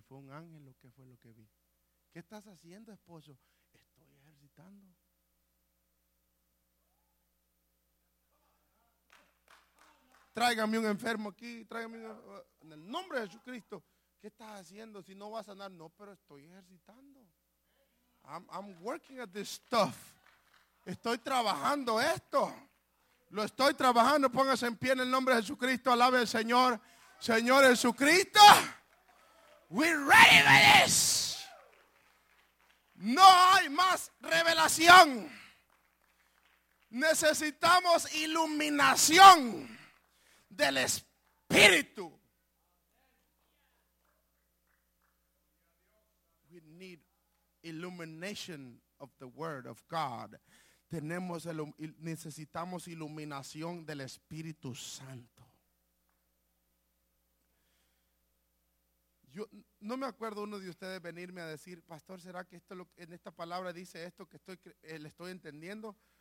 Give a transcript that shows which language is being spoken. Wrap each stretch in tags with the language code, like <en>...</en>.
<es>¿Fue un ángel o qué fue lo que vi? ¿Qué estás haciendo, esposo? Estoy ejercitando. Tráigame un enfermo aquí, tráigame un enfermo. En el nombre de Jesucristo, ¿qué estás haciendo? Si no vas a sanar, no, pero estoy ejercitando.</es> <en>I'm working at this stuff.</en> <es>Estoy trabajando esto. Lo estoy trabajando. Póngase en pie en el nombre de Jesucristo. Alabe al Señor. Señor Jesucristo.</es> <en>We're ready for this.</en> <es>No hay más revelación. Necesitamos iluminación del Espíritu.</es> <en>We need illumination of the Word of God.</en> <es>Necesitamos iluminación del Espíritu Santo. Yo no me acuerdo uno de ustedes venirme a decir, pastor, ¿será que esto en esta palabra dice esto que le estoy entendiendo?</es>